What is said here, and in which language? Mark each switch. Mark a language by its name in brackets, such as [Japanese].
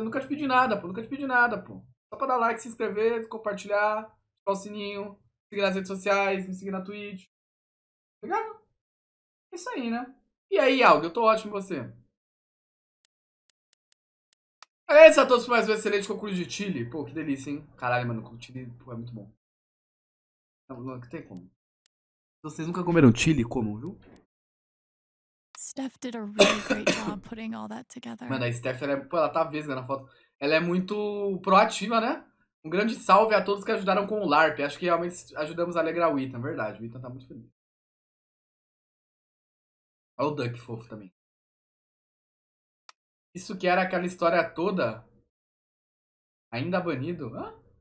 [Portuguese] Nunca te pedi nada, pô. Nunca te pedi nada, pô. Só pra dar like, se inscrever, compartilhar, ativar o sininho, seguir nas redes sociais, me seguir na Twitch. Ligado? É isso aí, né? E aí, Aldo, eu tô ótimo você. Esse é a todos por mais um excelente concurso de Chile. Pô, que delícia, hein? Caralho, mano, com Chile, pô, é muito bom. Não, não tem como. Vocês nunca comeram Chile? Como, viu? [English] Steph did a really great job putting all that together. [Portuguese] Mano, a Steph, ela, pô, ela tá vesga na foto. Ela é muito proativa, né? Um grande salve a todos que ajudaram com o LARP. Acho que realmente ajudamos a alegrar o Ethan, verdade. O Ethan tá muito feliz. Olha o Duck fofo também. Isso que era aquela história toda? Ainda banido? Hã?